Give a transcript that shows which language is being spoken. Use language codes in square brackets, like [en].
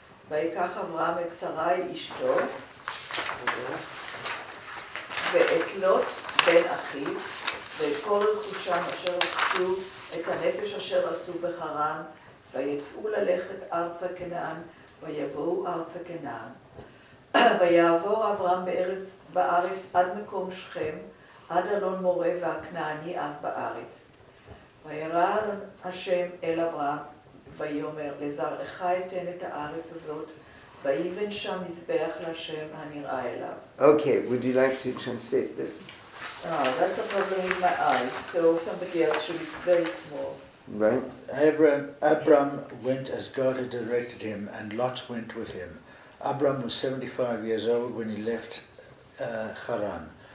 [he] Vayekach Avraham et Sarai ishto, ve'et Lot ben achiv, ve'et kol rechusham asher rechshu, et hanefesh asher asu becharan, ויצאו ללכת ארצה כנען, ויבואו ארצה כנען. ויעבור אברהם בארץ עד מקום שכם, עד אלון מורה והכנעני אז בארץ. וירא השם אל אברהם, ויאמר, לזרעך אתן את הארץ הזאת, ויבן שם מזבח להשם הנראה אליו. [en] Okay, would you like to translate this? That's a problem with my eyes, so somebody else should, it's very small. Right. Abram went as God had directed him, and Lot went with him. Abram was 75 years old when he left Haran.